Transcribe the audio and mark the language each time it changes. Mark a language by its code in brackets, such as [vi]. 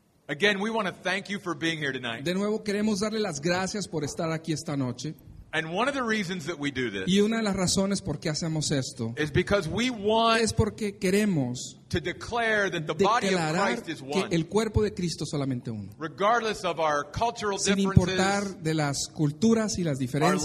[en] Again, we want to thank you for being here tonight. [es] De nuevo queremos darle las gracias por estar aquí esta noche. [en] And one of the reasons that we do this. [es] Y una de las razones por qué hacemos esto. [en] Is because we want. [es] Es porque queremos. [en] To declare that the body of Christ is one. [es] Que el cuerpo de Cristo solamente uno. [en] Regardless of our cultural differences. [es] Sin importar de las culturas y las diferencias.